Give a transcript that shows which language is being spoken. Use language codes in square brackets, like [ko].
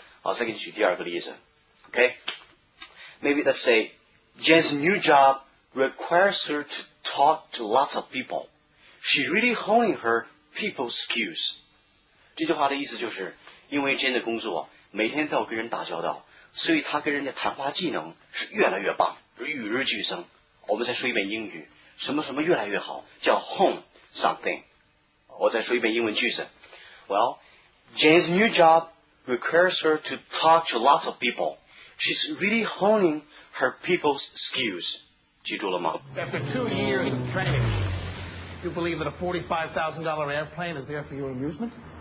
[en] I'll say, give you the second. Okay? Maybe let's say, Jen's new job requires her to talk to lots of people. She's really honing her people skills. [zh] 这句话的意思就是, 因为Jen的工作, 每天都要跟人打交道, 所以她跟人的谈话技能是越来越棒, 与日俱增。我们再说一遍英语, 什么什么越来越好, 叫 [en] hone something. [zh] 我再说一遍英文句子, [en] Well, Jen's new job requires her to talk to lots of people. She's really honing her people's skills. [zh] 记住了吗? [en] After 2 years of training, you believe that a $45,000 airplane is there for your amusement?